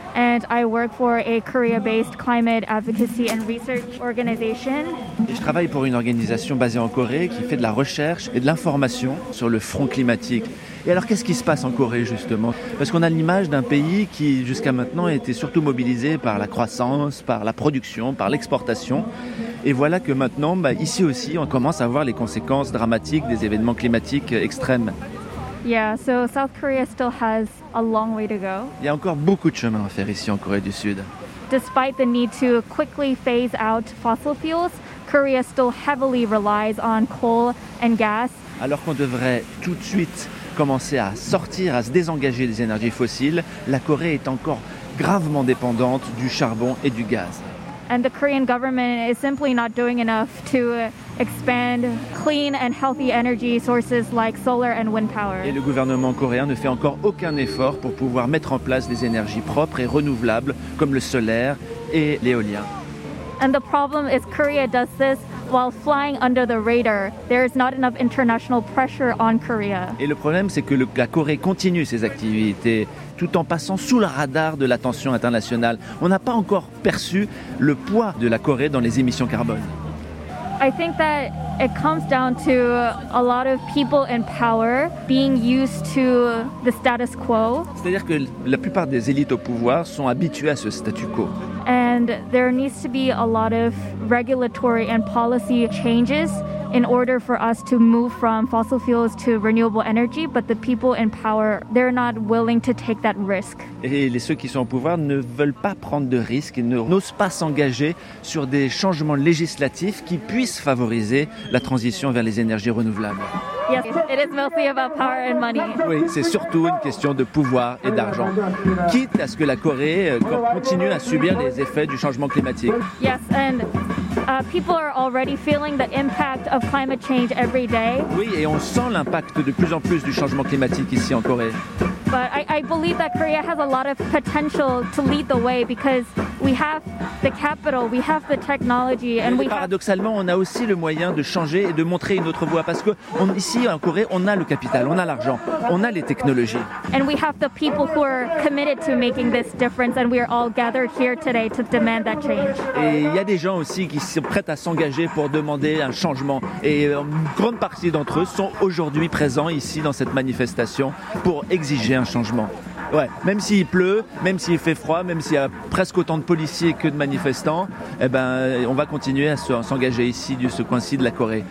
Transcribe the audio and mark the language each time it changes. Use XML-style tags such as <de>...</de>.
<en>and I work for a Korea-based climate advocacy and research organization.</en> <fr>Et je travaille pour une organisation basée en Corée qui fait de la recherche et de l'information sur le front climatique. Et alors, qu'est-ce qui se passe en Corée, justement? Parce qu'on a l'image d'un pays qui, jusqu'à maintenant, était surtout mobilisé par la croissance, par la production, par l'exportation. Et voilà que maintenant, bah, ici aussi, on commence à voir les conséquences dramatiques des événements climatiques extrêmes.</fr> <en>Yeah, so South Korea still has a long way to go.</en> <fr>Il y a encore beaucoup de chemin à faire ici en Corée du Sud.</fr> <en>Despite the need to quickly phase out fossil fuels, Korea still heavily relies on coal and gas.</en> <fr>Alors qu'on devrait tout de suite commencer à sortir, à se désengager des énergies fossiles, la Corée est encore gravement dépendante du charbon et du gaz.</fr> <en>And the Korean government is simply not doing enough to expand clean and healthy energy sources like solar and wind power.</en> <fr>Et le gouvernement coréen ne fait encore aucun effort pour pouvoir mettre en place des énergies propres et renouvelables comme le solaire et l'éolien.</fr> <en>And the problem is Korea does this while flying under the radar. There is not enough international pressure on Korea.</en> <fr>Et le problème, c'est que la Corée continue ses activités tout en passant sous le radar de l'attention internationale. On n'a pas encore perçu le poids de la Corée dans les émissions carbone.</fr> <en>I think that it comes down to a lot of people in power being used to the status quo.</en> <fr>C'est-à-dire que la plupart des élites au pouvoir sont habituées à ce statu quo.</fr> <en>And there needs to be a lot of regulatory and policy changes in order for us to move from fossil fuels to renewable energy, but the people in power, they're not willing to take that risk.</en> <fr>Et ceux qui sont au pouvoir ne veulent pas prendre de risques et n'osent pas s'engager sur des changements législatifs qui puissent favoriser la transition vers les énergies renouvelables.</fr> <en>Yes, it is mostly about power and money.</en> <fr>Oui, c'est surtout une question de pouvoir et d'argent, quitte à ce que la Corée continue à subir les effets du changement climatique.</fr> <en>Yes, and people are already feeling the impact of climate change every day.</en> <fr>Oui, et on sent l'impact de plus en plus du changement climatique ici en Corée.</fr> <en>But I believe that Korea has a lot of potential to lead the way because we have the capital, we have the technology, and we.</en> <fr>Paradoxalement, on a aussi le moyen de changer et de montrer une autre voie parce que ici en Corée, on a le capital, on a l'argent, on a les technologies.</fr> <en>And we have the people who are committed to making this difference, and we are all gathered here today to demand that change.</en> <fr>Et il y a des gens aussi qui sont prêts à s'engager pour demander un changement, et une grande partie d'entre eux sont aujourd'hui présents ici dans cette manifestation pour exiger un changement. Ouais, même s'il pleut, même s'il fait froid, même s'il y a presque autant de policiers que de manifestants, eh ben, on va continuer à s'engager ici, de ce coin-ci de la Corée.</fr>